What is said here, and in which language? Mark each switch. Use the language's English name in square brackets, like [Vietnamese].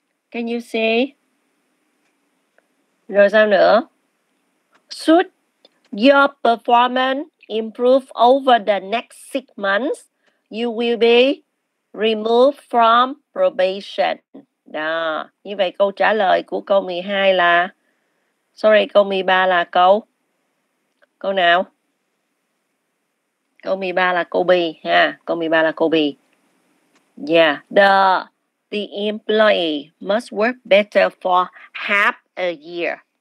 [English] Can you see? [Vietnamese] Rồi sao nữa? [English] Should your performance improve over the next 6 months, you will be removed from probation. [Vietnamese] Đó, như vậy câu trả lời của câu 12 là sorry, câu 13 là câu câu nào? Câu 13 là câu B ha, câu 13 là câu B. [English] Yeah, the employee must work better for half a year.